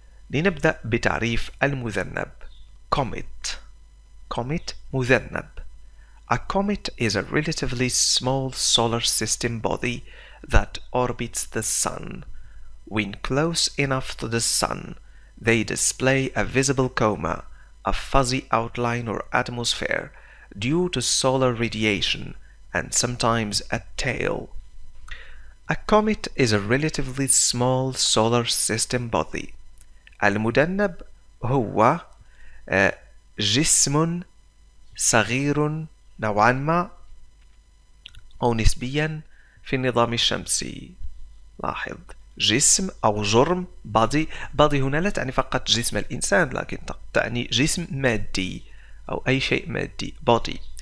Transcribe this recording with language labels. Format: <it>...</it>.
<ar>لنبدأ بتعريف المذنب comet مذنب.</ar> <en>A comet is a relatively small solar system body that orbits the sun. When close enough to the sun, they display a visible coma, a fuzzy outline or atmosphere due to solar radiation and sometimes a tail. A comet is a relatively small solar system body.</en> <ar>المذنب هو جسم صغير نوعا ما أو نسبيا في النظام الشمسي. لاحظ جسم أو جرم body هنا لا تعني فقط جسم الإنسان، لكن تعني جسم مادي أو أي شيء مادي body.</ar>